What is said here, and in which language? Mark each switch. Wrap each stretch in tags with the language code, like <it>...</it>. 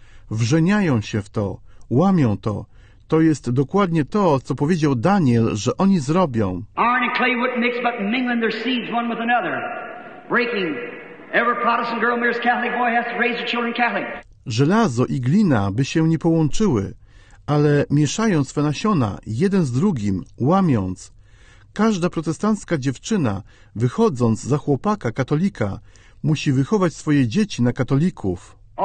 <pl>Wrzeniają się w to, łamią to. To jest dokładnie to, co powiedział Daniel, że oni zrobią.</pl> <en>Iron and clay wouldn't mix, but mingling their seeds one with another. Breaking. Every Protestant girl marries Catholic boy has to raise her children Catholic.</en> <pl>Żelazo i glina by się nie połączyły, ale mieszając swe nasiona, jeden z drugim, łamiąc. Każda protestancka dziewczyna, wychodząc za chłopaka katolika, musi wychować swoje dzieci na katolików.</pl>